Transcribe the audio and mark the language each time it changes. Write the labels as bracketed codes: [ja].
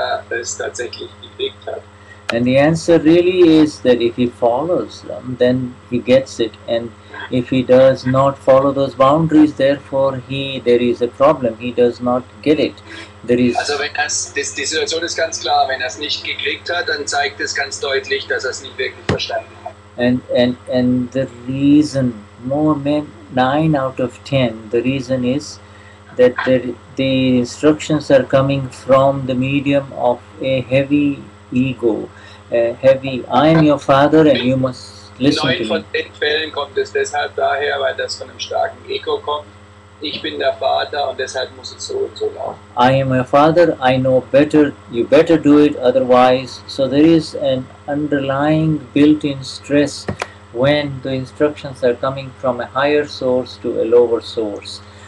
[en] And the answer really is that if he follows them, then he gets it. And if he does not follow those boundaries, therefore there is a problem. He does not get it. [de] Also wenn die Situation ist ganz klar, wenn er es nicht gekriegt hat, dann zeigt es ganz deutlich, dass er es nicht wirklich verstanden hat. [en] And the reason, more men, 9 out of 10, the reason is that the instructions are coming from the medium of a heavy ego, a heavy, I am your father and you must listen to me. [de] 9 von 10 Fällen kommt es deshalb daher, weil das von einem starken Ego kommt. Ich bin der Vater und deshalb muss es so und so laufen. [en] I am your father, I know better, you better do it otherwise. So there is an underlying built-in stress when the instructions are coming from a higher source to a lower source.